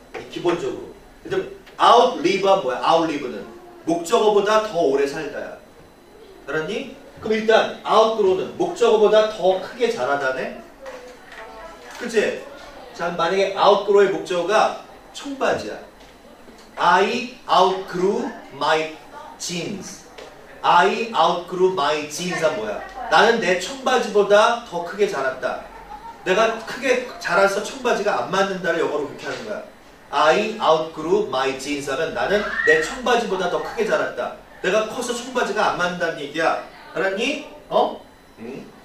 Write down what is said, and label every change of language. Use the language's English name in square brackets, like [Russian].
[Korean] 기본적으로 일단 outlive 뭐야? outlive는 목적어보다 더 오래 살다야. 알았니? 그럼 일단 outgrow는 목적어보다 더 크게 자라다네? 그치? 자, 만약에 outgrow의 목적어가 청바지야. [English] I outgrew my jeans. I outgrew my jeans은 [Korean] 뭐야? 나는 내 청바지보다 더 크게 자랐다. 내가 크게 자라서 청바지가 안 맞는다를 영어로 그렇게 하는 거야. [English] I outgrew my jeans [Korean] 하면 나는 내 청바지보다 더 크게 자랐다. 내가 커서 청바지가 안 맞는다는 얘기야. 알았니? 어? 응?